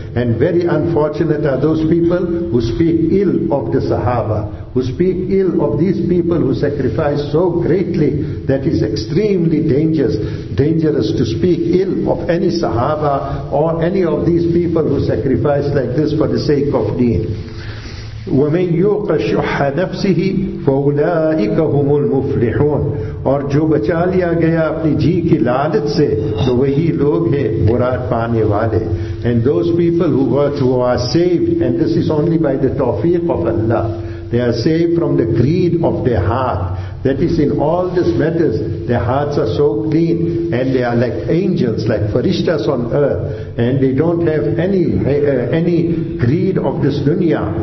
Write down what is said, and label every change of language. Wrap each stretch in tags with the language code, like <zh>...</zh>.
<en>And very unfortunate are those people who speak ill of the Sahaba, who speak ill of these people who sacrifice so greatly. That is extremely dangerous to speak ill of any Sahaba or any of these people who sacrifice like this for the sake of deen.</en> <ar>وَمَنْ يُوقَ شُحَّ نَفْسِهِ فَأُولَٰئِكَ هُمُ الْمُفْلِحُونَ</ar> <ur>اور جو بچا لیا گیا اپنی جی کی لالت سے تو وہی لوگ ہیں مراد پانے والے.</ur> <en>And those people who are saved, and this is only by the tawfiq of Allah, they are saved from the greed of their heart. That is, in all these matters, their hearts are so clean and they are like angels, like farishtas on earth, and they don't have any greed of this dunya.</en>